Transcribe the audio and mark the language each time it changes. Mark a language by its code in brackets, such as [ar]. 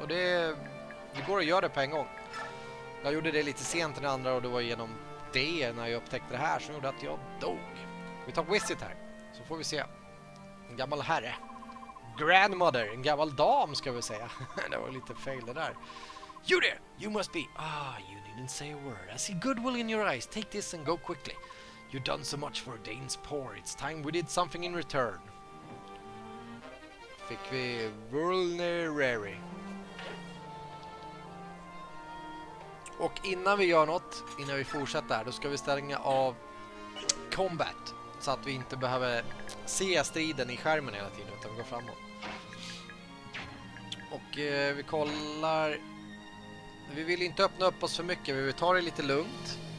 [sv] Och det går att göra det på en gång. Jag gjorde det lite sent än andra. Och det var genom det när jag upptäckte det här som gjorde att jag dog. Vi tar visit här. Så får vi se. En gammal herre. Grandmother. En gammal dam ska vi säga. Det var lite fel det där. [en] You there! You must be... Ah, you didn't say a word. I see goodwill in your eyes. Take this and go quickly. You've done so much for Dane's poor. It's time we did something in return. [sv] Fick vi [en] vulnerary. [sv] Och innan vi gör något, innan vi fortsätter här, då ska vi stänga av combat. Så att vi inte behöver se striden i skärmen hela tiden, utan vi går framåt. Och vi kollar. Vi vill inte öppna upp oss för mycket, vi vill ta det lite lugnt.